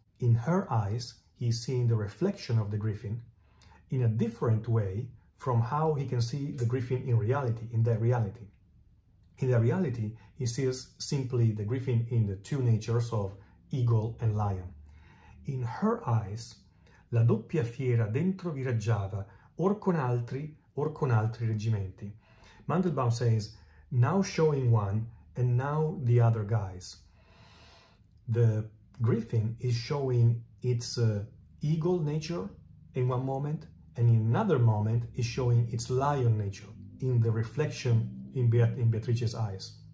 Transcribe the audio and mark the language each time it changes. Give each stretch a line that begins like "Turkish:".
English: In her eyes, he's seeing the reflection of the griffin in a different way from how he can see the griffin in reality, in that reality. In that reality, he sees simply the griffin in the two natures of eagle and lion. In her eyes,
Italian: la doppia fiera dentro viraggiava, or con altri reggimenti.
English: Mandelbaum says, now showing one, and now the other guys. The griffin is showing its eagle nature in one moment, and in another moment is showing its lion nature in the reflection in Beatrice's eyes.